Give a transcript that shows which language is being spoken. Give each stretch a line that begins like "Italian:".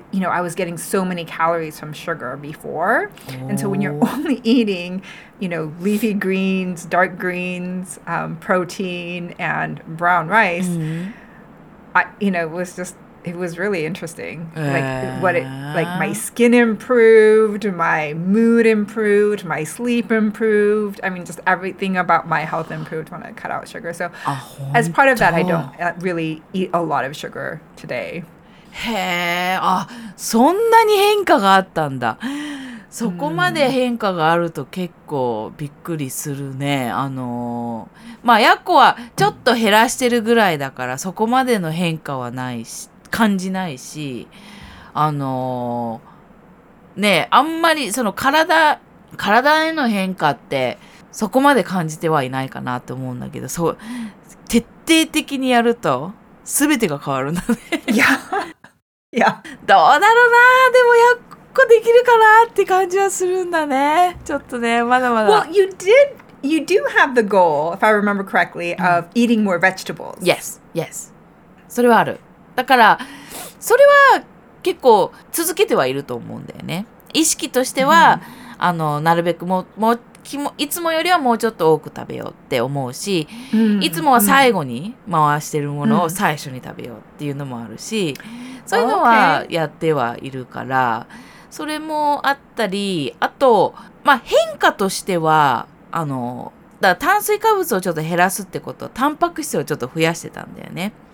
English: You know, I was getting so many calories from sugar before. And so when you're only eating, you know, leafy greens, dark greens, protein, and brown rice, it was really interesting. Like my skin improved, my mood improved, my sleep improved. I mean, just everything about my health improved when I cut out sugar. So as part of that, I don't really eat a lot of sugar today.
Japanese: へえ、あ、そんなに変化があったんだ。そこまで変化があると結構びっくりするね。まあ、やっこはちょっと減らしてるぐらいだから、そこまでの変化はないし、感じないし、ねえ、あんまりその体への変化ってそこまで感じてはいないかなと思うんだけど、そう、徹底的にやると全てが変わるんだね。いや、どうだろうな。でもやっこできるかなって感じはするんだね。ちょっとね、まだまだ。
English: Well, you did, you do have the goal, if I remember correctly, of eating more vegetables. Yes, yes.
Japanese: それはある。だから、それは結構続けてはいると思うんだよね。意識としては、なるべくいつもよりはもうちょっと多く食べようって思うし、いつもは最後に回してるものを最初に食べようっていうのもあるし、そういうのはやってはいるから、それもあったり、あと、まあ、変化としては、だから炭水化物をちょっと減らすってこと、タンパク質をちょっと増やしてたんだよね。